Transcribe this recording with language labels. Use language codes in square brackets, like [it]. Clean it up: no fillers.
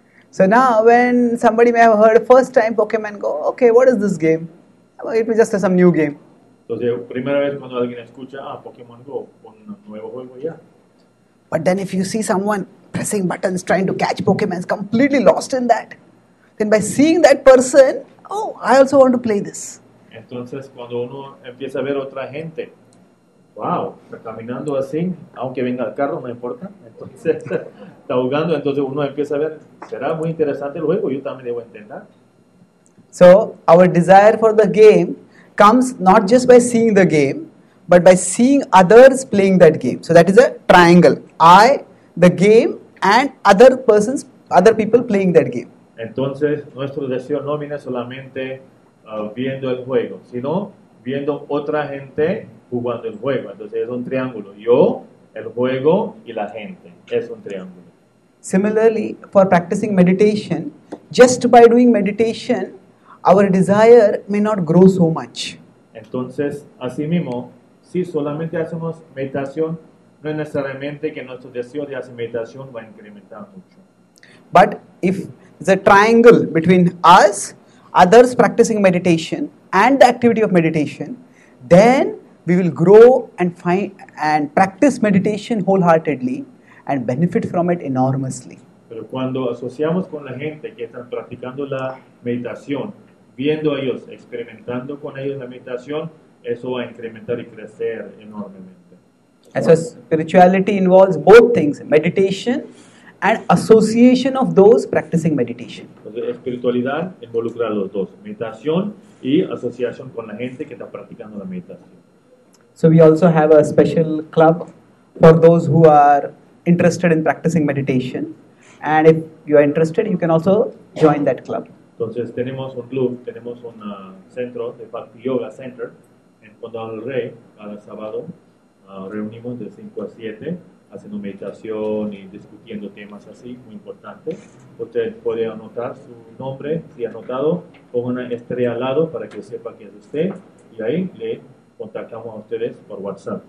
[en] So now, when somebody may have heard first time Pokemon Go, okay, what is this game? It was just some new game. [es] Entonces, primera vez cuando alguien escucha, Pokemon Go, un nuevo juego ya. [en] But then if you see someone pressing buttons, trying to catch Pokemon, completely lost in that, then by seeing that person, I also want to play this. [es] Entonces, cuando uno empieza a ver otra gente, caminando así, aunque venga el carro, no importa, entonces, está ahogando, entonces uno empieza a ver, será muy interesante el juego, yo también debo entender. [en] So, our desire for the game comes not just by seeing the game, but by seeing others playing that game. So, that is a triangle. I, the game, and other people playing that game. [es] Entonces, nuestro deseo no viene solamente viendo el juego, sino viendo otra gente jugando el juego. Entonces, es un triángulo. Yo, el juego, y la gente. Es un triángulo. [en] Similarly, for practicing meditation, just by doing meditation, our desire may not grow so much. [es] Entonces, así mismo, si solamente hacemos meditación, no es necesariamente que nuestro deseo de hacer meditación va a incrementar mucho. [en] But if there's a triangle between us, others practicing meditation, and the activity of meditation, then we will grow and find and practice meditation wholeheartedly and benefit from it enormously. [es] Pero cuando asociamos con la gente que están practicando la meditación, viendo a ellos, experimentando con ellos la meditación, eso va a incrementar y crecer enormemente. [en] And so spirituality involves both things, meditation and association of those practicing meditation. [es] Entonces, espiritualidad involucra a los dos, meditación y asociación con la gente que está practicando la meditación. [en] So we also have a special club for those who are interested in practicing meditation. And if you are interested, you can also join that club. [es] Entonces tenemos un club, tenemos un centro de Bhakti Yoga Center en Condado del Rey, cada sábado reunimos de 5 a 7, haciendo meditación y discutiendo temas así, muy importante. Usted puede anotar su nombre, si anotado, con una estrella al lado para que sepa quién es usted y ahí le contactamos a ustedes por WhatsApp.